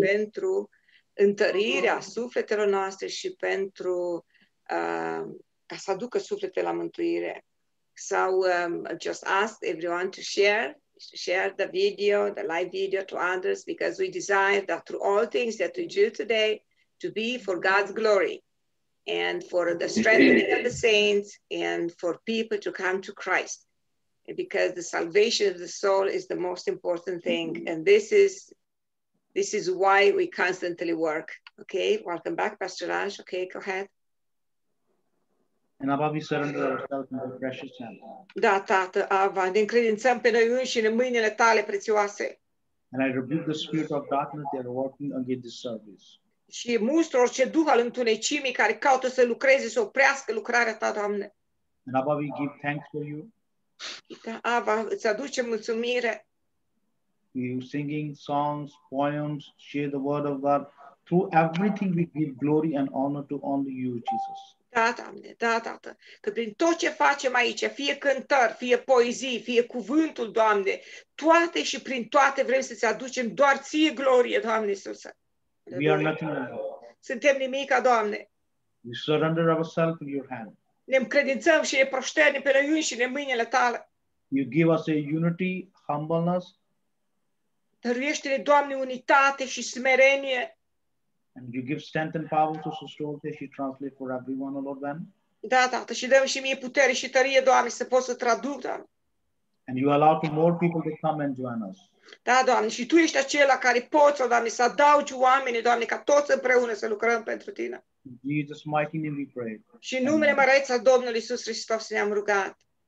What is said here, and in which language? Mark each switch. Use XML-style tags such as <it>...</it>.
<ro>pentru întărirea sufletelor noastre și pentru ca să aducă sufletele la mântuire.</ro> <en>So, just ask everyone to share the video, the live video to others, because we desire that through all things that we do today to be for God's glory and for the strengthening of the saints and for people to come to Christ, because the salvation of the soul is the most important thing. And this is why we constantly work Okay, welcome back, Pastor Raj. Okay, go ahead. And Abba, we surrender ourselves in your precious hand.</en> <ro>Da, Tată, Abba, ne încredințăm pe noi înșine mâinile tale prețioase.</ro> <en>And I rebuke the spirit of darkness that are working against this service.</en> <ro>Și mustru orice duh al întunecimii care caută să lucreze, să oprească lucrarea ta, Doamne.</ro> <en>And Abba, we give thanks for you.</en> <ro>Da, Abba, îți aducem mulțumire.</ro> <en>We are singing songs, poems, share the word of God. Through everything we give glory and honor to only you, Jesus.</en> <ro>Da, Doamne, da, Tată. Că prin tot ce facem aici, fie cântări, fie poezii, fie cuvântul, Doamne, toate și prin toate vrem să-ți aducem doar ție glorie, Doamne Iisus.</ro> <en>We are nothing.</en> <ro>Suntem nimica, Doamne.</ro> <en>We surrender ourselves in your hand.</en> <ro>Ne încredințăm și ne proșternim pe noi înșine mâinile tale.</ro> <en>You give us a unity, humbleness.</en> <ro>Dăruiește-ne, Doamne, unitate și smerenie.</ro> <en>And you give strength and power to sustain and translate for everyone, Lord God.</en> <ro>Da, Tată, și dăm și mie putere și tărie, Doamne, să pot să traduc, Doamne.</ro> <en>And you allow more people to come and join us.</en> <ro>Da, Doamne, și Tu ești acela care poți, Doamne, să adaugi oameni, Doamne, ca toți împreună să lucrăm pentru Tine.</ro> <en>In Jesus' mighty name we pray.</en> <ro>Și în numele măreț al Domnului Iisus Hristos ne-am rugat.</ro>